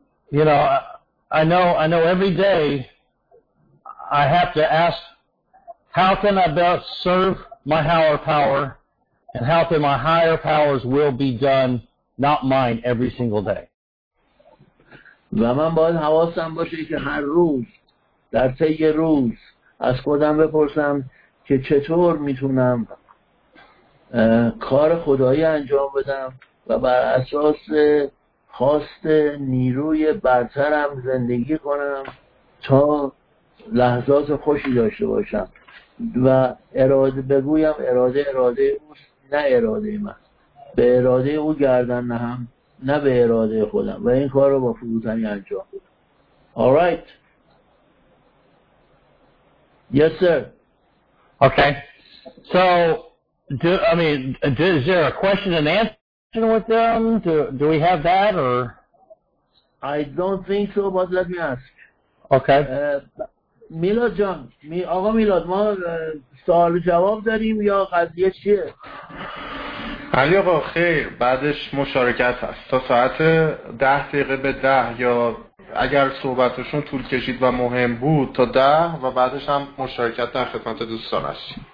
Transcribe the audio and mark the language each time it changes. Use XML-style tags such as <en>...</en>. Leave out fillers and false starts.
<en>You know, I know every day I have to ask, how can I best serve my higher power, and how can my higher powers will be done, not mine, every single day.</en> <fa>و من باید حواسم باشه که هر روز در طی روز از خودم بپرسم که چطور میتونم کار خدایی انجام بدم و بر اساس خواست نیروی برترم زندگی کنم تا لحظات خوشی داشته باشم و اراده بگویم اراده اوست، نه اراده من، به اراده او گردن نهم نه به اراده خودم و این کار رو با فروتنی انجام بدم.</fa> <en>Alright. Yes, sir. Okay. So, is there a question and answer with them? Do we have that, or? I don't think so, but let me ask. Okay.</en> <fa>میلاد جان، آقا میلاد، ما سوال جواب داریم یا قضیه چیه؟ علی آقا خیر، بعدش مشارکت هست. تا ساعت 9:50 یا اگر صحبتشون طول کشید و مهم بود تا 10 و بعدش هم مشارکت در خدمت دوستان هستیم.</fa>